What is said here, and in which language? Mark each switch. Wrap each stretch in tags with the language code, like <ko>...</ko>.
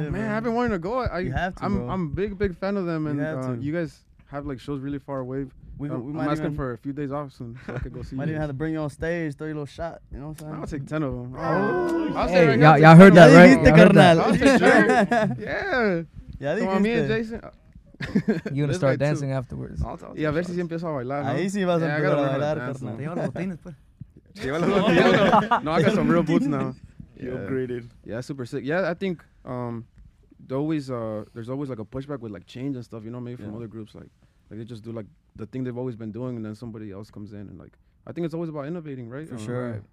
<en>Man, I've been wanting to go. You have to. I'm big fan of them, and you guys have like shows really far away. I'm asking for a few days off soon so I could go see you. Might even have to bring you on stage, throw you a little shot. You know what I'm saying? I'll take 10 of them. Y'all heard that, right? Y'all heard that. I'll take sure. Yeah. Come on, me and Jason. You're going to start dancing afterwards.</en> <es>Y a ver si empiezo a bailar. Ahí sí vas a empezar a bailar, carnal. Te llevan los botines, pues. Te llevan los botines.</es> <en>No, I got some real boots now. You upgraded. Yeah, super sick. Yeah, I think there's always like a pushback with like change and stuff, you know, maybe from other groups. Like they just do like the thing they've always been doing, and then somebody else comes in, and like I think it's always about innovating, right? For sure.</en>